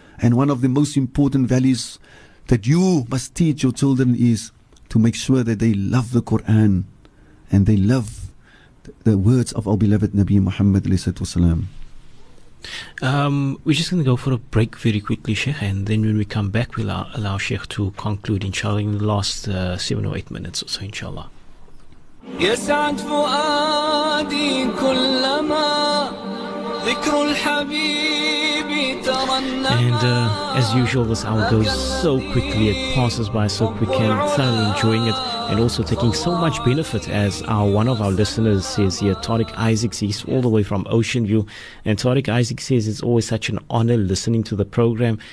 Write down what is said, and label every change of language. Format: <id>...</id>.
<en>And one of the most important values that you must teach your children is to make sure that they love the Quran and they love the words of our beloved Nabi Muhammad alayhi salatu wasalam. We're just going to go for a break very quickly, Sheikh, and then when we come back, we'll allow Sheikh to conclude, inshallah, in the last 7 or 8 minutes or so, inshallah.</en> <ar>يسعد فؤادي كلما ذكر الحبيب ترنم.</ar> <en>And as usual, this hour goes so quickly, it passes by so quick, and thoroughly enjoying it and also taking so much benefit, as our one of our listeners says here, Tariq Isaac, he's all the way from Ocean View. And Tariq Isaac says, it's always such an honor listening to the program.</en>